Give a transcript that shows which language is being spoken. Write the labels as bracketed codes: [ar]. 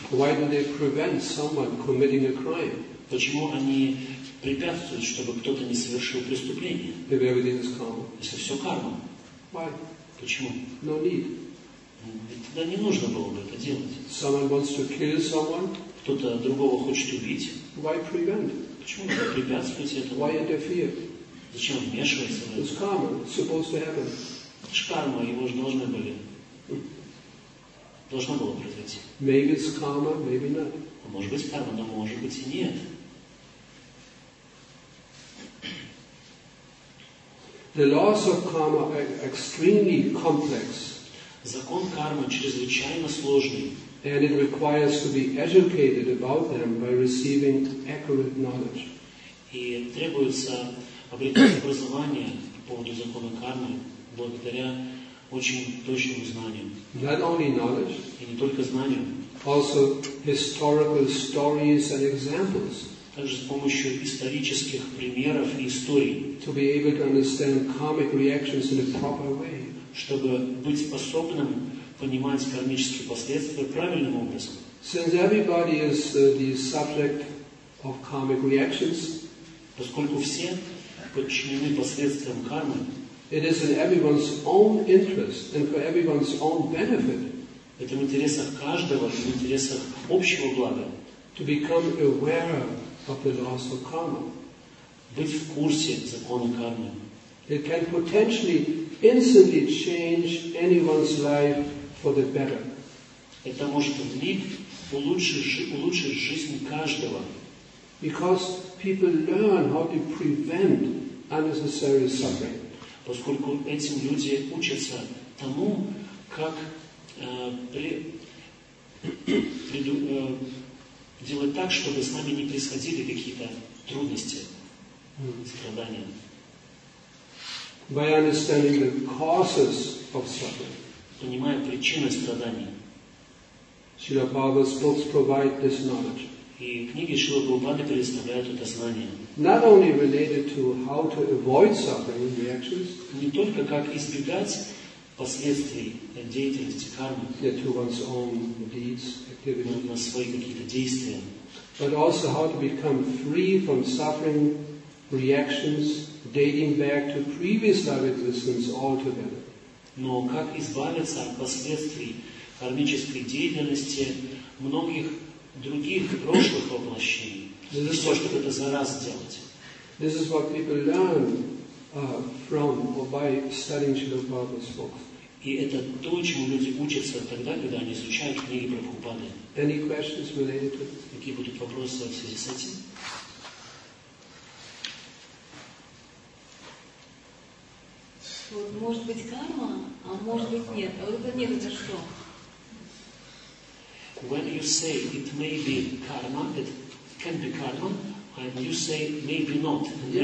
[en] Why do they prevent someone committing a crime? [ru] Почему они препятствуют, чтобы кто-то не совершил преступление? [en] If everything is karma. [ru] Если все карма. [en] Why? [ru] Почему? [en] No need. [ru] Тогда не нужно было бы это делать. [en] Someone wants to kill someone. [ru] Кто-то другого хочет убить. [en] Why prevent? [ru] Почему не препятствовать этому? [en] Why interfere? [ru] Зачем вмешиваться в это? [en] It's karma. It's supposed to happen. [ru] Это же карма, его же должно было произойти. [en] Maybe it's karma, maybe not. [ru] А может быть карма, но может быть и нет. [en] The laws of karma are extremely complex. [ru] Закон кармы чрезвычайно сложный. [en] And it requires to be educated about them by receiving accurate knowledge. [ru] И требуется обретать образование по поводу закона кармы. Благодаря очень точным знаниям. [en] Not only knowledge, [ru] и не только знаниям. [en] Also historical stories and examples. [ru] Также с помощью исторических примеров и историй. [en] To be able to understand karmic reactions in a proper way. [ru] Чтобы быть способным понимать кармические последствия правильным образом. [en] Since everybody is the subject of karmic reactions, [ru] поскольку все подчинены последствиям кармы, [en] it is in everyone's own interest and for everyone's own benefit. [ru] Это в интересах каждого, в интересах общего блага. [en] To become aware of the laws of karma. [ru] Быть в курсе закона кармы. [en] It can potentially instantly change anyone's life for the better. [ru] Это может в миг улучшить жизнь каждого. [en] Because people learn how to prevent unnecessary suffering. [ru] поскольку этим люди учатся тому, как делать так, чтобы с нами не происходили какие-то трудности, страдания. [en] By understanding the causes of suffering. [ru] Понимая причины страданий. [en] Srila Prabhupada's books provide this knowledge. [ru] И книги Шрилы Прабхупады предоставляют это знание. [en] Not only related to how to avoid suffering reactions. [ru] Не только как избегать последствий деятельности кармы. [en] Yeah, to one's own deeds, activities. [ru] На свои какие-то действия. [en] But also how to become free from suffering reactions dating back to previous life existence altogether. [ru] Но как избавиться от последствий кармической деятельности многих других прошлых воплощений? И что это за раз делать? [en] This is what people learn from or by studying Srila Prabhupada's books. [ru] И это то, чему люди учатся тогда, когда они изучают книги Прабхупады. [en] Any questions related to this? [ru] Какие будут вопросы в связи с этим? Вот, может быть, карма, а может быть, нет. А вот это нет, это что? [en] When you say it may be karma, it can be karma, and you say maybe not, and yes.